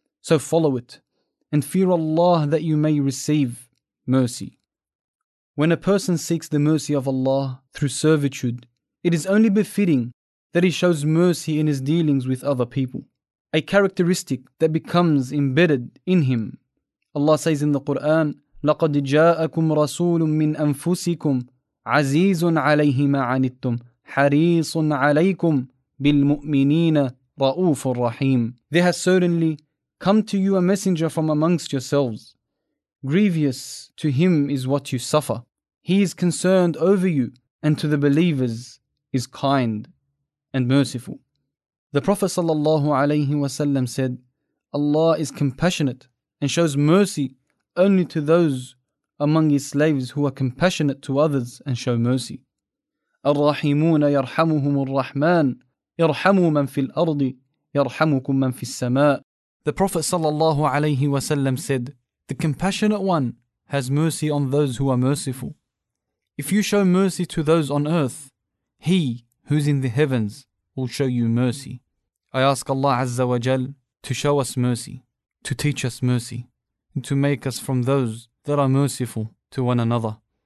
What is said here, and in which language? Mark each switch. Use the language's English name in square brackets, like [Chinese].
[English] So follow it and fear Allah that you may receive mercy. When a person seeks the mercy of Allah through servitude, it is only befitting that he shows mercy in his dealings with other people, a characteristic that becomes embedded in him. Allah says in the Quran, [Arabic] لَقَدْ جَاءَكُمْ رَسُولٌ مِّنْ أَنفُسِكُمْ عَزِيزٌ عَلَيْهِ مَا عَنِتُّمْ حَرِيصٌ عَلَيْكُمْ بِالْمُؤْمِنِينَ رَؤُوفٌ رَحِيمٌ. [English] There has certainly come to you a messenger from amongst yourselves. Grievous to him is what you suffer. He is concerned over you, and to the believers is kind and merciful. The Prophet sallallahu alaihi wasallam said, Allah is compassionate and shows mercy only to those among his slaves who are compassionate to others and show mercy. [Arabic] الرحيمون يرحمهم الرحمن ارحموا من في الأرض يرحمكم من في السماء. [English] The Prophet sallallahu alaihi wasallam said, the compassionate one has mercy on those who are merciful. If you show mercy to those on earth, He who's in the heavens will show you mercy. I ask Allah Azza wa Jal to show us mercy, to teach us mercy, and to make us from those that are merciful to one another.